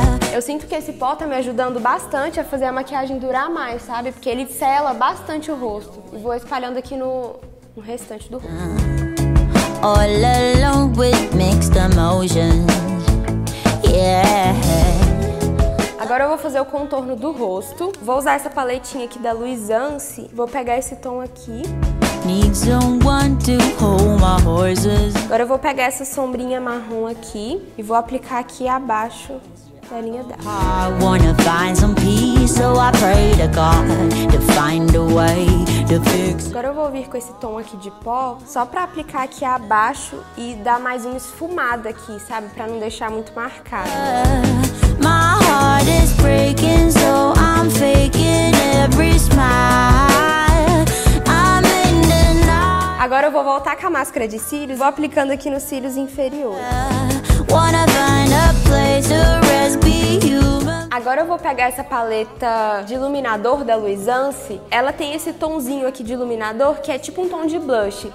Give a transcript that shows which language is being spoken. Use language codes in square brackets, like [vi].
[pt] Eu sinto que esse pó tá me ajudando bastante a fazer a maquiagem durar mais, sabe? Porque ele sela bastante o rosto. E vou espalhando aqui no restante do rosto. [en] All along with mixed emotions. Yeah. [pt] Agora eu vou fazer o contorno do rosto. Vou usar essa paletinha aqui da Louise Ancy. Vou pegar esse tom aqui. [en] Need someone to hold my horses. [pt] Agora eu vou pegar essa sombrinha marrom aqui e vou aplicar aqui abaixo da linha dela. [en] I wanna find some peace, so I pray to God to find a way. [pt] Agora eu vou vir com esse tom aqui de pó, só pra aplicar aqui abaixo e dar mais uma esfumada aqui, sabe? Pra não deixar muito marcado. [en] My heart is breaking, so I'm faking every smile. I'm in denial. [pt] Agora eu vou voltar com a máscara de cílios, vou aplicando aqui nos cílios inferiores. [en] Wanna find a place to rest, be human. [pt] Agora eu vou pegar essa paleta de iluminador da Louise Ancy. Ela tem esse tonzinho aqui de iluminador, que é tipo um tom de blush.